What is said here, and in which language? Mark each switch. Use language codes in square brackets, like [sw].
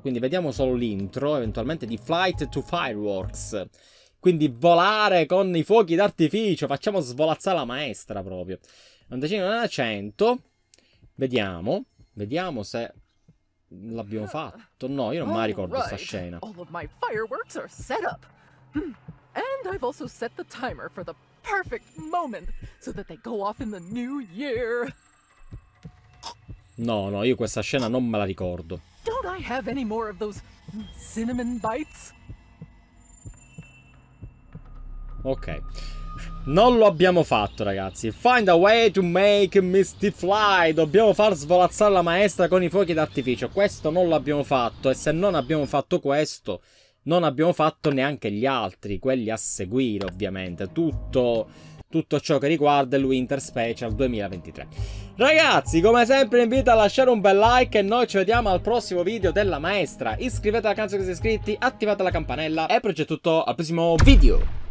[it] Quindi vediamo solo l'intro eventualmente di Flight to Fireworks. Quindi volare con i fuochi d'artificio. Facciamo svolazzare la maestra proprio. Un decino da 100. Vediamo. Vediamo se l'abbiamo fatto. No, io non mi ricordo questa scena. [en] All of my fireworks are set up. And I've also set the timer for the perfect moment so that they go off in the new year. [it] No, io questa scena non me la ricordo. [en] Don't I have any more of those cinnamon bites? [it] Ok, non lo abbiamo fatto, ragazzi. [en] Find a way to make Misty fly. [it] Dobbiamo far svolazzare la maestra con i fuochi d'artificio. Questo non l'abbiamo fatto. E se non abbiamo fatto questo, non abbiamo fatto neanche gli altri, quelli a seguire, ovviamente. Tutto ciò che riguarda il Winter Special 2023. Ragazzi, come sempre invito a lasciare un bel like e noi ci vediamo al prossimo video della maestra. Iscrivetevi al canale se siete iscritti, attivate la campanella e poi c'è tutto al prossimo video.